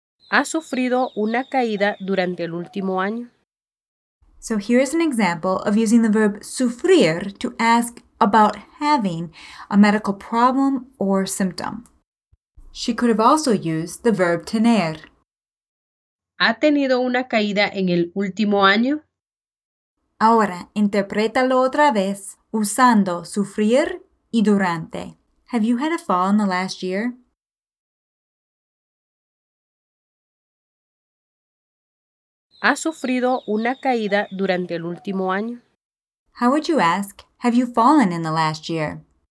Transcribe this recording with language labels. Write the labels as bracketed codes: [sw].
[es] ¿Ha sufrido una caída durante el último año? [en] So here is an example of using the verb sufrir to ask about having a medical problem or symptom. She could have also used the verb tener. [es] ¿Ha tenido una caída en el último año? Ahora, interprétalo otra vez usando sufrir y durante. [en] Have you had a fall in the last year? [es] ¿Ha sufrido una caída durante el último año? [en] How would you ask, have you fallen in the last year?